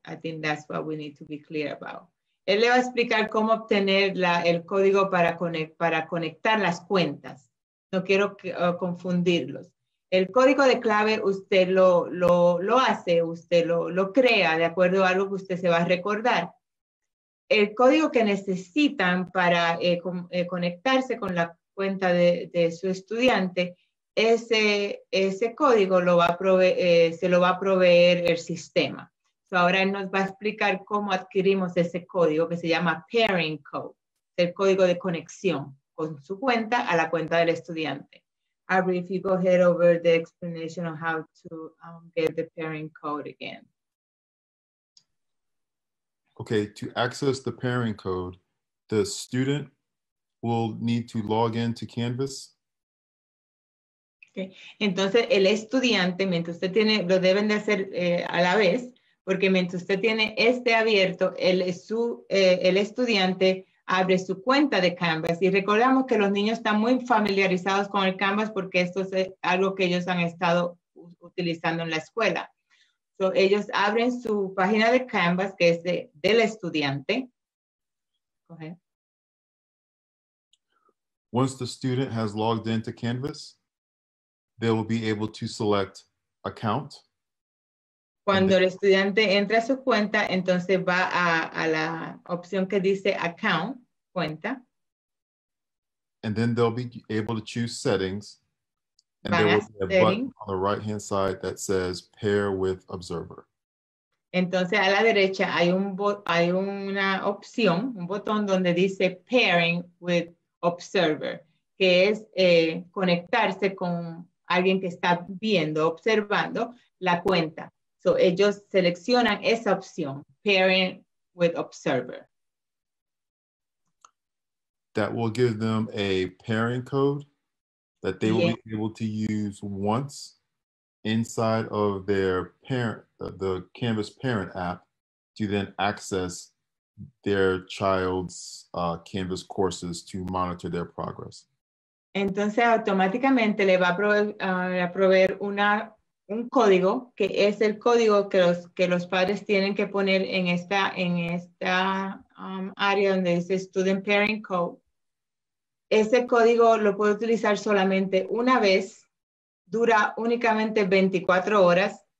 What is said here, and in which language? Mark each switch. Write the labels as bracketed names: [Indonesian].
[English] I think that's what we need to be clear about. [Spanish] Él le va a explicar cómo obtener el código para conectar las cuentas. No quiero confundirlos. El código de clave usted lo hace, usted lo crea de acuerdo a algo que usted se va a recordar. El código que necesitan para conectarse con la cuenta de su estudiante, ese código se lo va a proveer el sistema. Ahora él nos va a explicar cómo adquirimos ese código que se llama Pairing Code, el código de conexión con su cuenta a la cuenta del estudiante. [English] Abri, if you go ahead over the explanation of how to get the pairing code again. Okay, to access the pairing code, the student will need to log in to Canvas. [Spanish] Okay, entonces el estudiante, mientras usted tiene, lo deben de hacer a la vez. Porque mientras usted tiene este abierto, el estudiante abre su cuenta de Canvas. Y recordamos que los niños están muy familiarizados con el Canvas porque esto es algo que ellos han estado utilizando en la escuela. So, ellos abren su página de Canvas, que es del estudiante. Okay. [English] Once the student has logged into Canvas, they will be able to select Account. [Spanish] Cuando el estudiante entra a su cuenta, entonces va a la opción que dice Account, cuenta. [English] And then they'll be able to choose settings. And there will be a button on the right-hand side that says Pair with Observer. [Spanish] Entonces a la derecha hay una opción, un botón donde dice Pairing with Observer, que es conectarse con alguien que está viendo, observando la cuenta. So ellos seleccionan esa opción, pairing with observer. [English] That will give them a pairing code that they will be able to use once inside of their parent, the Canvas parent app, to then access their child's Canvas courses to monitor their progress. [Spanish] Entonces, automáticamente le va a proveer un código que es el código que los padres tienen que poner en esta área donde dice Student Pairing Code. Ese código lo puede utilizar solamente una vez, dura únicamente 24 horas.